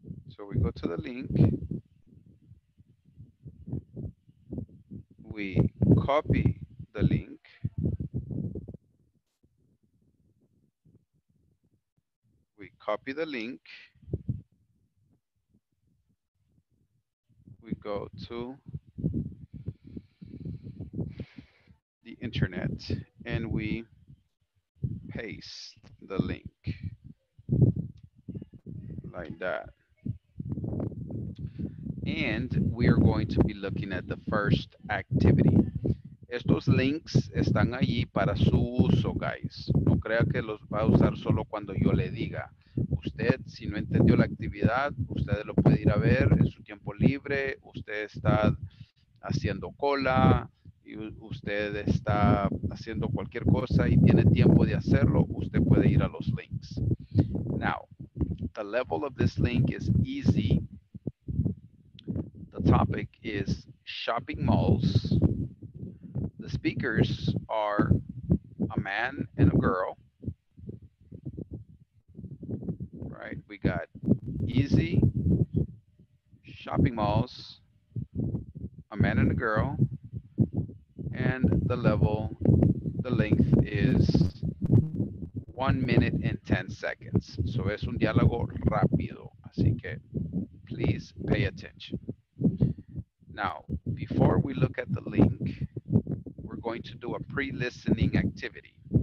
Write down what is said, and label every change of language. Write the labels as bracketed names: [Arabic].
[English] So we go to the link, we copy the link, we copy the link, we go to the internet and we paste the link like that. And we are going to be looking at the first activity. [Spanish] Estos links están allí para su uso, guys. No crea que los va a usar solo cuando yo le diga. Usted, si no entendió la actividad, usted lo puede ir a ver en su tiempo libre. Usted está haciendo cola y usted está haciendo cualquier cosa y tiene tiempo de hacerlo. Usted puede ir a los links. [English] Now, the level of this link is easy. The topic is shopping malls. The speakers are a man and a girl. Right, we got easy shopping malls, a man and a girl, and the level, the length is 1 minute and 10 seconds. [Spanish] So es un diálogo rápido, así que [English] please pay attention. Now, before we look at the link, we're going to do a pre-listening activity.